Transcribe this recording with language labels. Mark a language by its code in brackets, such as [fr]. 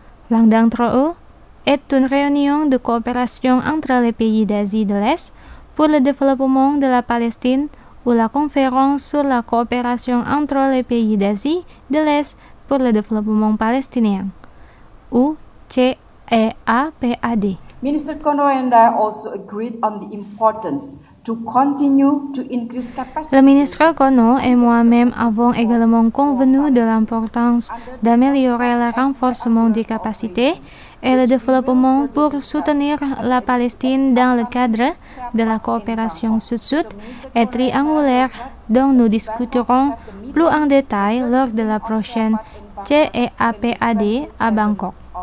[fr] L'un d'entre eux est une réunion de coopération entre les pays d'Asie de l'Est pour le développement de la Palestine ou la conférence sur la coopération entre les pays d'Asie de l'Est pour le développement palestinien, ou CEAPAD. [en] Minister Kono and I also agreed on the importance to continue to increase capacity. [fr] Le ministre Kono et moi-même avons également convenu de l'importance d'améliorer le renforcement des capacités et le développement pour soutenir la Palestine dans le cadre de la coopération sud-sud et triangulaire dont nous discuterons plus en détail lors de la prochaine CEAPAD à Bangkok.